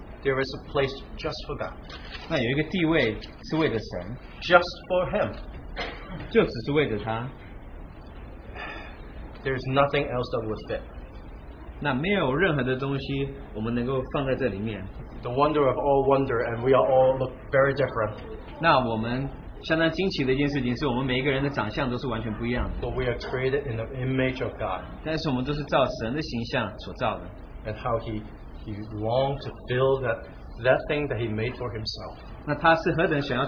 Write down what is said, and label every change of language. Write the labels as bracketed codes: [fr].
[en] there is a place just for God. [zh] 那有一个地位是为了神, [en] just for Him. [zh] 就只是为了他。 [en] There is nothing else that would fit. [zh] 那没有任何的东西我们能够放在这里面。 [en] The wonder of all wonder, and we are all look very different. [zh] 那我们 相当惊奇的一件事情是我们每一个人的长相都是完全不一样的。 [en] But we are created in the image of God. [zh] 但是我们都是照神的形象所造的。 [en] And how he longed to fill that thing that he made for himself.